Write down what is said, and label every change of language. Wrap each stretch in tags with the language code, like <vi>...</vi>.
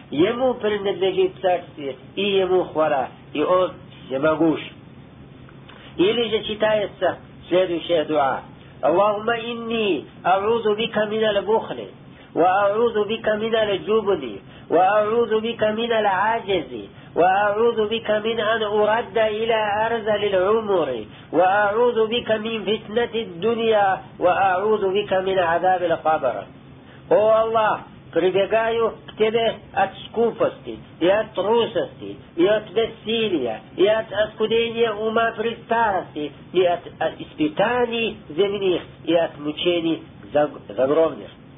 <ru>Ему принадлежит царствие, и ему хвала, и он всемогущ. Или же читается следующая дуа.</ru> <ar>«Аллахума инни, а'узу бика мин аль-бухли, ва'а'узу бика мин аль-джубни, ва'а'узу бика мин аль-аджизи». وأعوذ بك من أن أرد إلى أرذل العمر وأعوذ بك من فتنة الدنيا وأعوذ بك من عذاب القبر.</ar> <ru>О Аллах, прибегаю к тебе от скупости и от трусости и от бессилия и от оскудения ума при старости и от испытаний земных и от мучений загробных.</ru>